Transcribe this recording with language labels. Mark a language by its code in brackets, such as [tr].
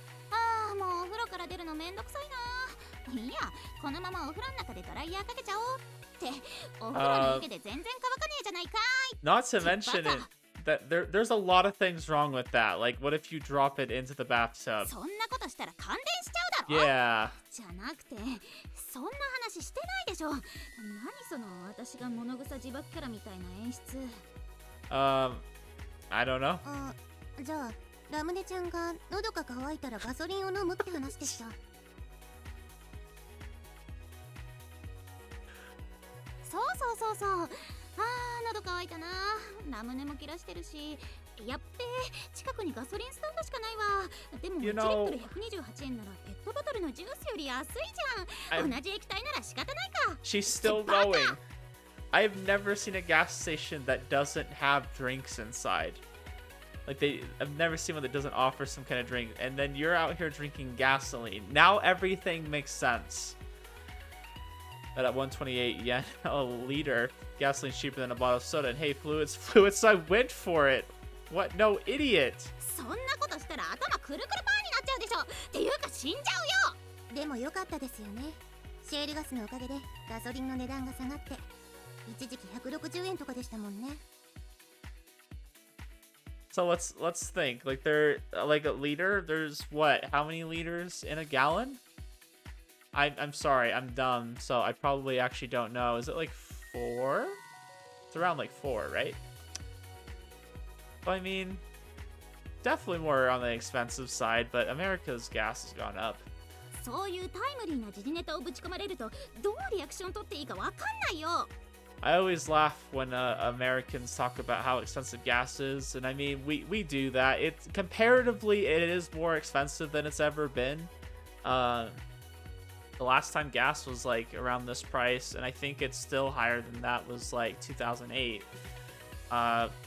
[ja] ああ、もうお風呂から出るのめんどくさいな。いや、このままお風呂の中でドライヤーかけちゃおう。 [en] Not to mention it, that there's a lot of things wrong with that. Like, what if you drop it into the bathtub? [ja] そんなことしたら感電しちゃうだろ? [en] Yeah. [ja] じゃなくて、そんな話してないでしょ。何その私が物臭自爆キャラみたいな演出。 [en] I don't know. [ja] じゃあ、ラムネちゃんが喉が渇いたらガソリンを飲むって話でした。そうそうそうそう。ああ、喉乾いたな。ラムネも切らしてるし。やっべ、近くにガソリンスタンドしかないわ。でも、1リットル128円ならペットボトルのジュースより安いじゃん。同じ液体なら仕方ないか。 [en] She's still going. I've never seen a gas station that doesn't have drinks inside. Like, I've never seen one that doesn't offer some kind of drink. And then you're out here drinking gasoline. Now everything makes sense. But at 128 yen a liter, gasoline's cheaper than a bottle of soda. And hey, fluids, I went for it. What? No, idiot. [ja] そんなことしたら頭くるくるパーになっちゃうでしょ。っていうか死んじゃうよ。でもよかったですよね。シェールガスのおかげでガソリンの値段が下がって、一時期160円とかでしたもんね。 [en] So let's think. Like there, like a liter. There's what? How many liters in a gallon? I'm sorry, I'm dumb, so I probably actually don't know. Is it like four? It's around like four, right? But I mean, definitely more on the expensive side, but America's gas has gone up. [ja] そういうタイムリーな時事ネタをぶち込まれると、どうリアクション取っていいかわかんないよ。 [en] I always laugh when Americans talk about how expensive gas is, and I mean, we do that. It's, comparatively, it is more expensive than it's ever been. The last time gas was like around this price, and I think it's still higher than that, was like 2008.